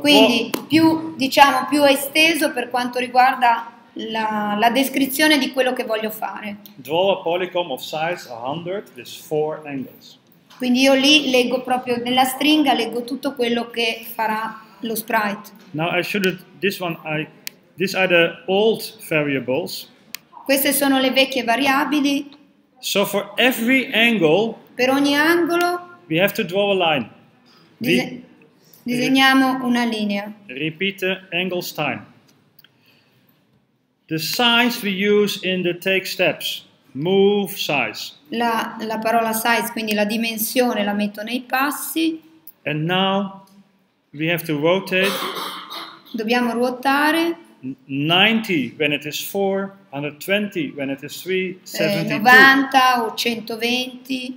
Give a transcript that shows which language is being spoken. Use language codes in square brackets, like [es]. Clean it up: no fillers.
[it] quindi, più, diciamo, più esteso per quanto riguarda la descrizione di quello che voglio fare. [en] Draw a polygon of size 100 with 4 angles. [it] Quindi io lì leggo proprio nella stringa, leggo tutto quello che farà lo sprite. [en] Now I should these are the old variables. [it] Queste sono le vecchie variabili. [en] So for every angle, [it] per ogni angolo, [en] we have to draw a line. [it] Disegniamo una linea. [en] Repeat the angles time. The size we use in the take steps. Move size. [it] La parola size, quindi la dimensione, la metto nei passi. [en] And now we have to rotate. [it] Dobbiamo ruotare. [en] 90 when it is 4, 120 when it is 3, 72. [it] 90 o 120.